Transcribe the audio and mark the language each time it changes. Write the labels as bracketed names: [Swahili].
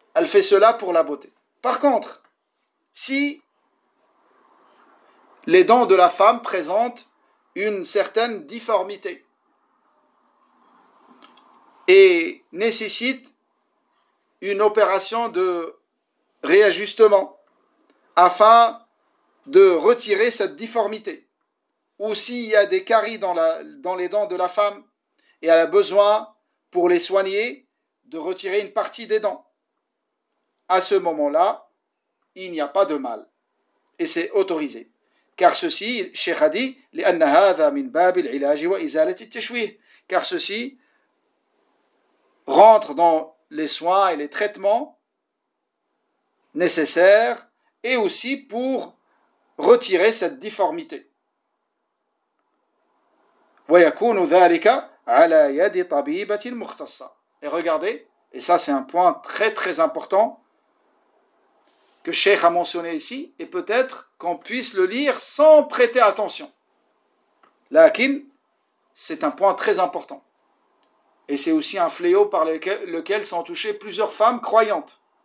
[French] Elle fait cela pour la beauté. Par contre, si les dents de la femme présentent une certaine difformité et nécessite une opération de réajustement afin de retirer cette difformité. Ou s'il y a des caries dans les dents de la femme et elle a besoin, pour les soigner, de retirer une partie des dents. À ce moment-là, il n'y a pas de mal et c'est autorisé. Car ceci, Cheikh a dit, [Arabic] لأن هذا من باب العلاج وإزالة التشويه. [French] Car ceci rentre dans les soins et les traitements nécessaires et aussi pour retirer cette difformité. [Arabic] ويكون ذلك على يد طبيبة مختصة. [French] Et regardez, et ça c'est un point très très important que Cheikh a mentionné ici, et peut-être qu'on puisse le lire sans prêter attention. Lakin, c'est un point très important. Et c'est aussi un fléau par lequel sont touchées plusieurs femmes croyantes.